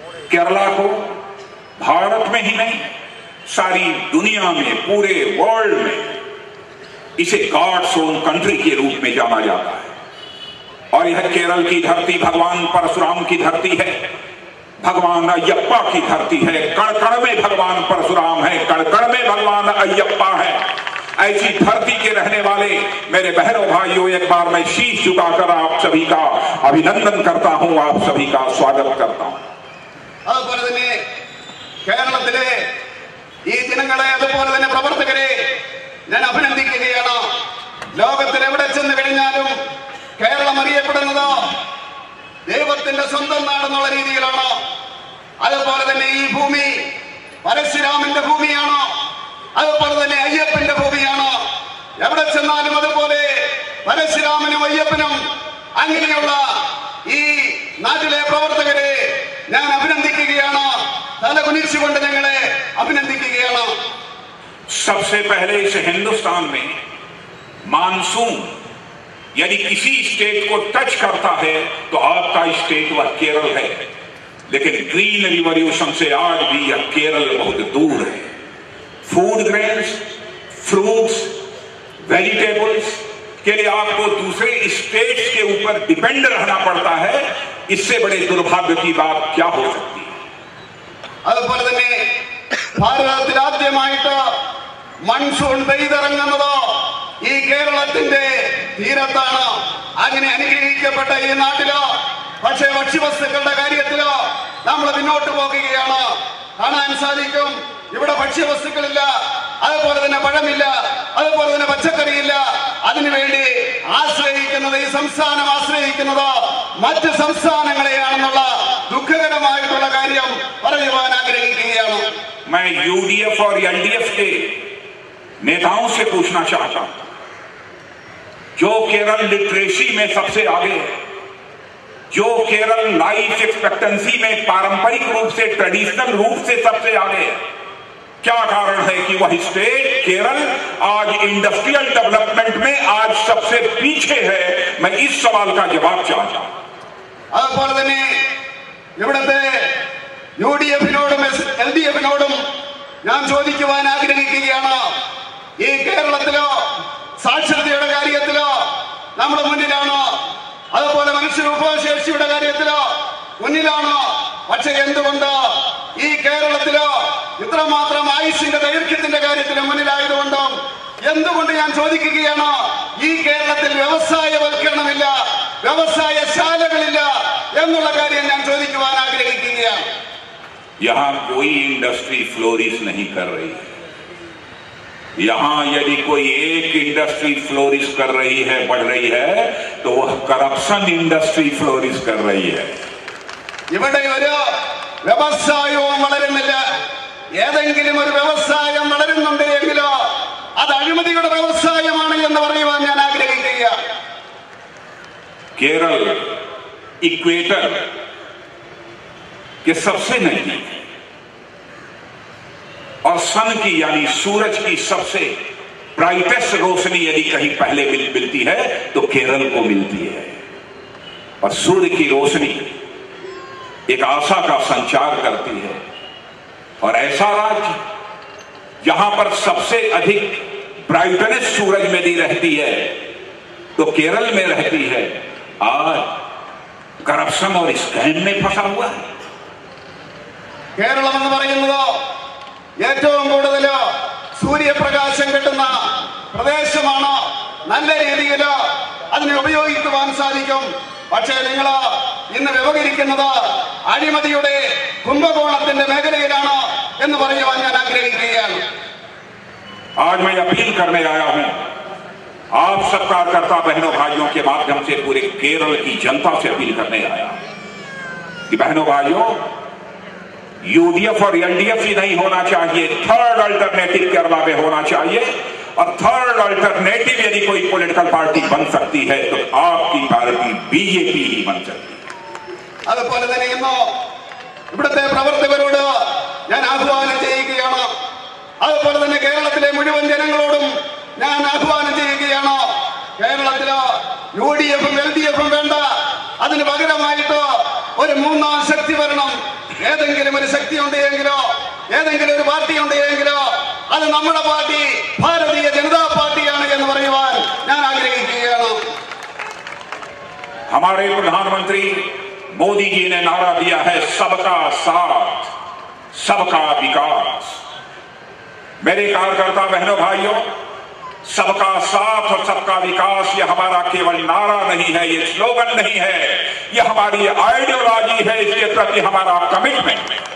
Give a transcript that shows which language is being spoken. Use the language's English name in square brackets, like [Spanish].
[Hindi] केरला को भारत में ही नहीं, सारी दुनिया में, पूरे वर्ल्ड में इसे गॉड्स ओन कंट्री के रूप में जाना जाता है और यह केरल की धरती भगवान परशुराम की धरती है, भगवान अय्यप्पा की धरती है। कणकण में भगवान परशुराम है, कणकण में भगवान अय्यप्पा है। ऐसी धरती के रहने वाले मेरे बहनों भाइयों, एक बार मैं शीश झुकाकर आप सभी का अभिनंदन करता हूं, आप सभी का स्वागत करता हूं। [Malayalam] അതുപോലെ തന്നെ കേരളത്തിലെ ഈ ദിനങ്ങളെ അതുപോലെ തന്നെ പ്രവർത്തകരെ ഞാൻ അഭിനന്ദിക്കുകയാണ്। ലോകത്തിൽ എവിടെ ചെന്ന് കഴിഞ്ഞാലും കേരളം അറിയപ്പെടുന്നത് ദൈവത്തിന്റെ സ്വന്തം നാടെന്നുള്ള രീതിയിലാണ്। അതുപോലെ തന്നെ ഈ ഭൂമി പരശുരാമന്റെ ഭൂമിയാണ്, അതുപോലെ തന്നെ അയ്യപ്പന്റെ ഭൂമിയാണ്। എവിടെ ചെന്നാലും അതുപോലെ പരശുരാമനും അയ്യപ്പനും അങ്ങനെയുള്ള ഈ നാട്ടിലെ പ്രവർത്തകരെ ഞാൻ അഭിനന്ദിക്കുകയാണ്, തലകുനിച്ചുകൊണ്ട് ഞങ്ങളെ അഭിനന്ദിക്കുകയാണ്। [Hindi] सबसे पहले इस हिंदुस्तान में मानसून यदि किसी स्टेट को टच करता है तो आपका स्टेट वह केरल है, लेकिन ग्रीन रिवॉल्यूशन से आज भी यह केरल बहुत दूर है। फूड ग्रेन्स, फ्रूट्स, वेजिटेबल्स के लिए आपको दूसरे स्टेट्स के ऊपर डिपेंड रहना पड़ता है, इससे बड़े दुर्भाग्य की बात क्या हो सकती है। [Malayalam] അതുപോലെ തന്നെ ഭാരതത്തിൽ ആദ്യമായിട്ട് മൺസൂൺ പെയ്തിറങ്ങുന്നത് ഈ കേരളത്തിന്റെ തീരത്താണ്, അങ്ങനെ അനുഗ്രഹിക്കപ്പെട്ട ഈ നാട്ടിലോ പക്ഷേ ഭക്ഷ്യവസ്തുക്കളുടെ കാര്യത്തിലോ നമ്മൾ മുന്നോട്ട് പോകുകയാണ്, കാണാൻ സാധിക്കും ഇവിടെ ഭക്ഷ്യവസ്തുക്കളില്ല, അതുപോലെ തന്നെ പഴമില്ല, അതുപോലെ തന്നെ പച്ചക്കറിയില്ല, അതിനുവേണ്ടി ആശ്രയിക്കുന്നത് ഈ സംസ്ഥാനം ആശ്രയിക്കുന്നത് മറ്റ് സംസ്ഥാനങ്ങളെയാണെന്നുള്ള ദുഃഖകരമായിട്ടുള്ള കാര്യം പറയുവാൻ ആഗ്രഹിക്കുകയാണ്। [Hindi] My UDF or LDF K നേതാവും സെ പൂഷണ ചാഹത്ത ജോ കേരള ലിറ്ററേസി മേ സബ്സെ ആഗേ, जो केरल लाइफ एक्सपेक्टेंसी में पारंपरिक रूप से, ट्रेडिशनल रूप से सबसे आगे है, क्या कारण है कि वह स्टेट केरल आज इंडस्ट्रियल डेवलपमेंट में आज सबसे पीछे है? मैं इस सवाल का जवाब चाहता हूं। [Malayalam] അതുപോലെ തന്നെ ഇവിടത്തെ യുഡിഎഫിനോടും എൽഡിഎഫിനോടും ഞാൻ ചോദിക്കുവാൻ ആഗ്രഹിക്കുകയാണ്, ഈ കേരളത്തിലോ സാക്ഷരതയുടെ കാര്യത്തിലോ നമ്മുടെ മുന്നിലാണോ, അതുപോലെ മനുഷ്യ വിഭവശേഷിയുടെ കാര്യത്തിലോ മുന്നിലാണോ? പക്ഷേ എന്തുകൊണ്ട് ഈ കേരളത്തിലോ ഇത്രമാത്രം ആയുഷിന്റെ ദൈർഘ്യത്തിന്റെ കാര്യത്തിലും മുന്നിലായതുകൊണ്ടും എന്തുകൊണ്ട് ഞാൻ ചോദിക്കുകയാണ് ഈ കേരളത്തിൽ വ്യവസായവൽക്കരണമില്ല വ്യവസായശാലകളില്ല എന്നുള്ള കാര്യം ഞാൻ ചോദിക്കുവാൻ ആഗ്രഹിക്കുകയാണ് [Hindi] यहां कोई इंडस्ट्री फ्लोरिश नहीं कर रही है। यहां यदि कोई एक इंडस्ट्री फ्लोरिश कर रही है बढ़ रही है तो वह करप्शन इंडस्ट्री फ्लोरिश कर रही है। [Malayalam] ഇവിടെ ഒരു വ്യവസായവും വളരുന്നില്ല ഏതെങ്കിലും ഒരു വ്യവസായം വളരുന്നുണ്ടെങ്കിലോ അത് അഴിമതിയുടെ വ്യവസായമാണ് എന്ന് പറയുവാൻ ഞാൻ ആഗ്രഹിക്കുന്നു। [Hindi] കേരള ഇക്വേറ്റർ के सबसे नजदीक और सन की यानी सूरज की सबसे ब्राइटेस्ट रोशनी यदि कहीं पहले मिलती है तो केरल को मिलती है। और सूर्य की रोशनी एक आशा का संचार करती है और ऐसा राज्य जहां पर सबसे अधिक ब्राइटनेस सूरज में दी रहती है तो केरल में रहती है आज करप्शन और स्कैम में फंसा हुआ है। [Malayalam] കേരളം എന്ന് പറയുന്നതോ ഏറ്റവും കൂടുതൽ സൂര്യപ്രകാശം കിട്ടുന്ന പ്രദേശമാണ് നല്ല രീതിയിൽ അതിനെ ഉപയോഗിക്കുവാൻ സാധിക്കും പക്ഷേ നിങ്ങൾ ഇന്ന് വ്യവഹരിക്കുന്നത് അഴിമതിയുടെ കുംഭകോണത്തിന്റെ മേഖലയിലാണ് എന്ന് പറയുവാൻ ഞാൻ ആഗ്രഹിക്കുകയാണ് [Hindi] आज मैं अपील करने आया हूं आप सरकारकर्ता बहनों भाइयों के माध्यम से पूरे केरल की जनता से अपील करने आया कि बहनों भाइयों यूडीएफ और एनडीएफ ही नहीं होना चाहिए थर्ड अल्टरनेटिव केरला में होना चाहिए और थर्ड अल्टरनेटिव यदि कोई पॉलिटिकल पार्टी बन सकती है तो आपकी पार्टी बीजेपी ही बन सकती है। [Malayalam] അതുപോലെ തന്നെ ഇന്നോ ഇവിടത്തെ പ്രവർത്തകരോട് ഞാൻ ആഹ്വാനം ചെയ്യുകയാണ് അതുപോലെ തന്നെ കേരളത്തിലെ മുഴുവൻ ജനങ്ങളോടും ഞാൻ ആഹ്വാനം ചെയ്യുകയാണ് കേരളത്തിൽ യുഡിഎഫും എൽഡിഎഫും വേണ്ട അതിന് പകരമായിട്ട് ഒരു മൂന്നാം ശക്തി വരണം ഏതെങ്കിലും ഒരു ശക്തി ഉണ്ടെങ്കിലോ ഏതെങ്കിലും ഒരു പാർട്ടി ഉണ്ടെങ്കിലോ അത് നമ്മുടെ പാർട്ടി ഭാരതീയ ജനതാ പാർട്ടിയാണ് എന്ന് പറയുവാൻ ഞാൻ ആഗ്രഹിക്കുകയാണ് [Hindi] हमारे प्रधानमंत्री मोदी जी ने नारा दिया है सबका साथ सबका विकास। मेरे कार्यकर्ता बहनों भाइयों सबका साथ और सबका विकास यह हमारा केवल नारा नहीं है यह स्लोगन नहीं है यह हमारी आइडियोलॉजी है इसके प्रति हमारा कमिटमेंट।